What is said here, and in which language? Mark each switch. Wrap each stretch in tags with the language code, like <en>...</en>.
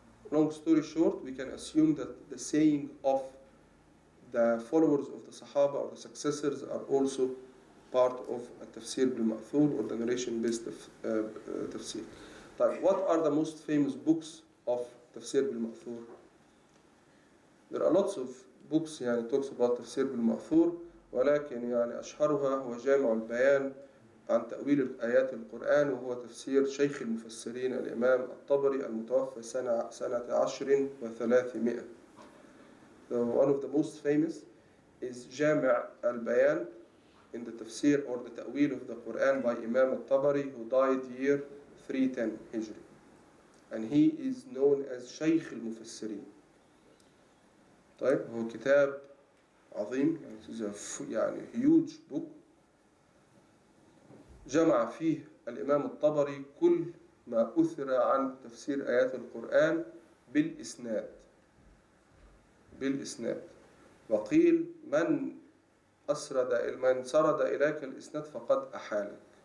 <en>Long story short, we can assume that the saying of the followers of the Sahaba or the successors are also part of a tafsir bil ma'thul or the narration based tafsir. But what are the most famous books of tafsir bil ma'thul? There are lots of books talks about tafsir bil ma'thul,</en> <ar>ولكن أشهرها هو جامع البيان عن تأويل آيات القرآن وهو تفسير شيخ المفسرين الإمام الطبري المتوفى سنة 1300.</ar> <en>One of the most famous is جامع البيان in the تفسير or the تأويل of the Quran by Imam al-Tabari who died year 310 Hijri. And he is known as شيخ المفسرين.</en> <ar>طيب هو كتاب عظيم يعني</ar> <en>huge book</en> <ar>جمع فيه الإمام الطبري كل ما أثر عن تفسير آيات القرآن بالإسناد بالإسناد وقيل من أسرد من سرد إليك الإسناد فقد أحالك</ar>